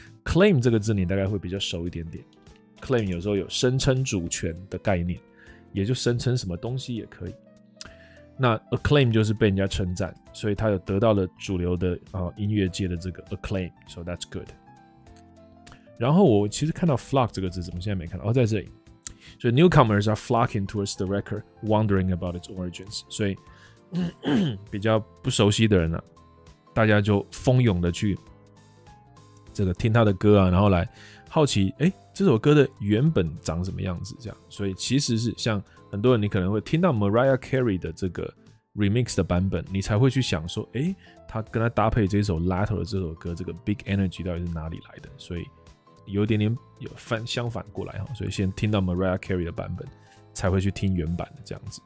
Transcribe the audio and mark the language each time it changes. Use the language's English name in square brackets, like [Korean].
[Chinese] claim 这个字你大概会比较熟一点点， claim 有时候有声称主权的概念，也就声称什么东西也可以，那 acclaim 就是被人家称赞，所以他有得到了主流的音乐界的这个 acclaim， [English] so that's good。 [Chinese] 然后我其实看到 flock 这个字怎么现在没看到，在这里。所以 [English] newcomers are flocking towards the record, wondering about its origins。 [Chinese] 所以比较不熟悉的人大家就蜂拥的去这个听他的歌然后来好奇这首歌的原本长什么样子这样。所以其实是像很多人你可能会听到 Mariah Carey 的这个 remix 的版本，你才会去想说他跟他搭配这首 Lato 的这首歌这个 Big Energy 到底是哪里来的，所以有点点有相反过来，所以先听到 Mariah Carey 的版本才会去听原版的这样子。